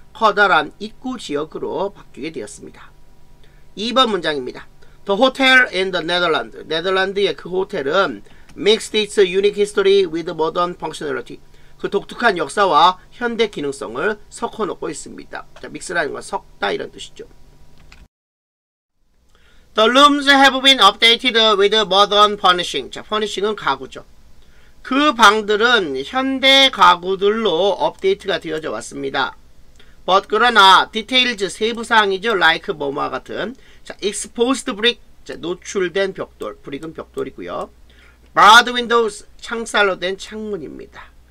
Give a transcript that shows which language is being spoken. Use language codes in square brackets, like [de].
[ko] 커다란 입구 지역으로 바뀌게 되었습니다. [en] 2번 문장입니다. The hotel in the Netherlands. 네덜란드의 그 호텔은 mixed its unique history with modern functionality. [ko] 그 독특한 역사와 현대 기능성을 섞어놓고 있습니다. 자, mix라는 건 섞다 이런 뜻이죠. [en] The rooms have been updated with modern furnishing. [ko] 자, furnishing은 가구죠. 그 방들은 현대 가구들로 업데이트가 되어져 왔습니다. But 그러나 details, 세부사항이죠. Like 뭐뭐와 같은. 자, exposed brick, 자, 노출된 벽돌. brick은 벽돌이고요. barred windows, 창살로 된 창문입니다.